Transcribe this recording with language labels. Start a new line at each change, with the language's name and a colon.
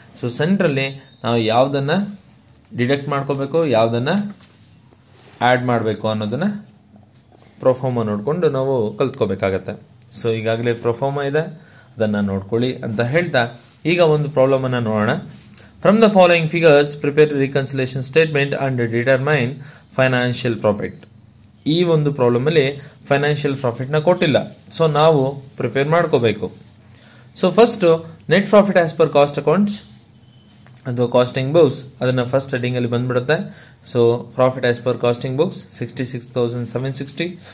Kannada: So ಸೆಂಟ್ರಲ್ಲಿ ನಾವು ಯಾವುದನ್ನು ಡಿಡಕ್ಟ್ ಮಾಡ್ಕೋಬೇಕು, ಯಾವುದನ್ನು ಆ್ಯಡ್ ಮಾಡಬೇಕು ಅನ್ನೋದನ್ನು ಪ್ರೊಫಾರ್ಮ ನೋಡಿಕೊಂಡು ನಾವು ಕಲ್ತ್ಕೋಬೇಕಾಗತ್ತೆ. ಸೊ ಈಗಾಗಲೇ ಪ್ರೊಫಾರ್ಮ ಇದೆ, ಅದನ್ನು ನೋಡ್ಕೊಳ್ಳಿ ಅಂತ ಹೇಳ್ತಾ ಈಗ ಒಂದು ಪ್ರಾಬ್ಲಮನ್ನು ನೋಡೋಣ.
English: From the following figures, prepare reconciliation statement and determine financial profit.
Kannada: ಈ ಒಂದು ಪ್ರಾಬ್ಲಮಲ್ಲಿ ಫೈನಾನ್ಷಿಯಲ್ ಪ್ರಾಫಿಟ್ನ ಕೊಟ್ಟಿಲ್ಲ. ಸೊ ನಾವು ಪ್ರಿಪೇರ್ ಮಾಡ್ಕೋಬೇಕು. So first
English: net profit as per cost accounts ಅಥವಾ costing books
Kannada: ಅದನ್ನು ಫಸ್ಟ್ ಹೆಡಿಂಗಲ್ಲಿ ಬಂದ್ಬಿಡುತ್ತೆ.
English: So profit as per costing books 66,760.